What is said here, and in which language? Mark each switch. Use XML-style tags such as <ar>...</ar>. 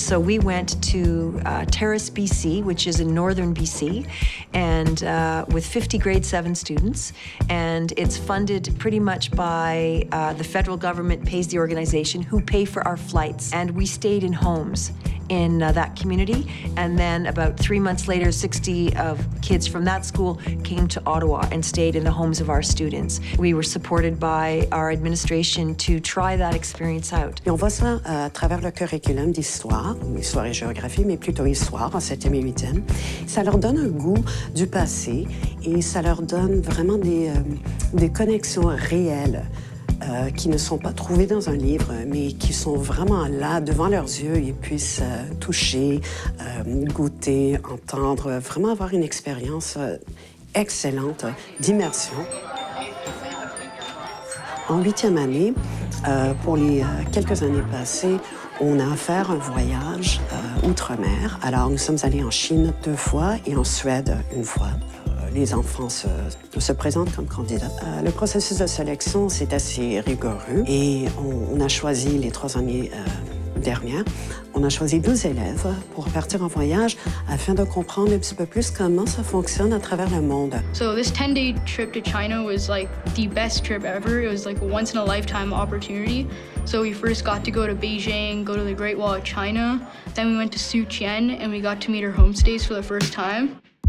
<en>So we went to Terrace, BC, which is in northern BC, and with 50 grade 7 students, and it's funded pretty much by the federal government pays the organization, who pay for our flights, and we stayed in homes in that community. And then about 3 months later, 60 of kids from that school came to Ottawa and stayed in the homes of our students. We were supported by our administration to try that experience out.</en> <fr>Et on voit ça à travers le curriculum d'histoire, histoire et géographie, mais plutôt histoire en 7e et 8e. Ça leur donne un goût du passé et ça leur donne vraiment des connexions réelles. Qui ne sont pas trouvés dans un livre, mais qui sont vraiment là, devant leurs yeux, ils puissent toucher, goûter, entendre, vraiment avoir une expérience excellente d'immersion. En 8e année, pour les quelques années passées, on a offert un voyage outre-mer. Alors, nous sommes allés en Chine 2 fois et en Suède 1 fois. Les enfants se présentent comme candidats. Le processus de sélection, c'est assez rigoureux. Et on a choisi les 3 années dernières. On a choisi 12 élèves pour partir en voyage afin de comprendre un petit peu plus comment ça fonctionne à travers le monde.</fr> <en>So this 10-day trip to China was like the best trip ever. It was like a once-in-a-lifetime opportunity. So we first got to go to Beijing, go to the Great Wall of China. Then we went to Suzhou and we got to meet her homestays for the first time.</en>